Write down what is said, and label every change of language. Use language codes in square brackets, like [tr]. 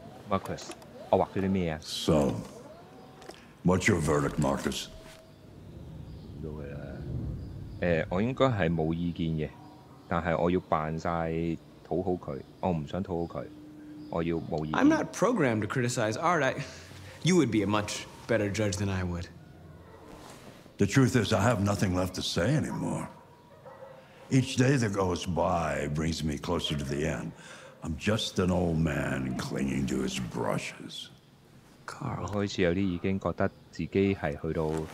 [yue] Marcus， 我畫咗啲咩啊 [en] ？So， what's your verdict, Marcus？ [yue] 到佢啦。我應該係冇意見嘅。但係我要扮曬討好佢，我唔想討好佢，我要冇意見。 [en] I'm not programmed to criticize art. You would be a much better judge than I would. The truth is, I have nothing left to say anymore. Each day that goes by brings me closer to the end. I'm just an old man clinging to his brushes. [yue] Carl，開始有啲已經覺得自己係去到。